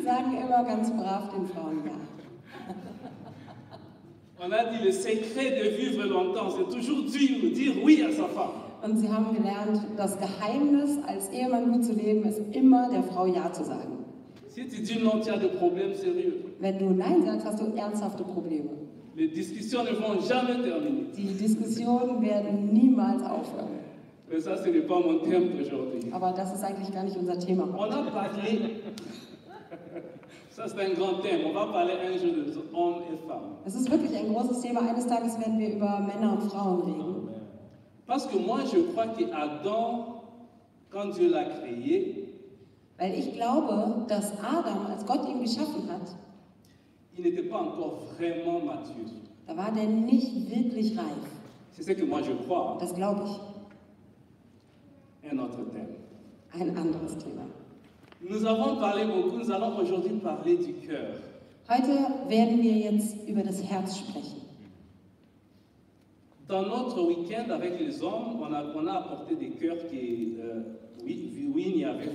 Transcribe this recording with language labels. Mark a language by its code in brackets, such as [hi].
[de] sagen immer ganz brav den Frauen ja. [fr] On a dit le secret de vivre longtemps, c'est toujours dire oui à sa femme. [de] Und sie haben gelernt, das Geheimnis, als Ehemann gut zu leben, ist immer der Frau ja zu sagen. [fr] Si tu dis non, tu as des problèmes sérieux. [de] Wenn du nein sagst, hast du ernsthafte Probleme. [fr] Les discussions ne vont jamais terminer. [de] Die Diskussionen werden niemals aufhören. [fr] Mais ça, ce n'est pas mon thème aujourd'hui. [de] Aber das ist eigentlich gar nicht unser Thema. [fr] On a parlé. Ça, c'est un grand thème. On va parler un jour de hommes et femmes. [de] Es ist wirklich ein großes Thema. Eines Tages werden wir über Männer und Frauen reden. Amen. [fr] Parce que moi, je crois que Adam, quand Dieu l'a créé, [de] weil ich glaube, dass Adam, als Gott ihn geschaffen hat, [fr] il n'était pas encore vraiment mature. [de] Da war der nicht wirklich reif. [fr] C'est ce que moi je crois. [de] Das glaube ich. [fr] Un autre thème. [de] Ein anderes Thema. [fr] Nous avons parlé beaucoup, nous allons aujourd'hui parler du cœur. [de] Heute werden wir jetzt über das Herz sprechen. [fr] Dans notre week-end avec les hommes, on a apporté des cœurs qui Winnie.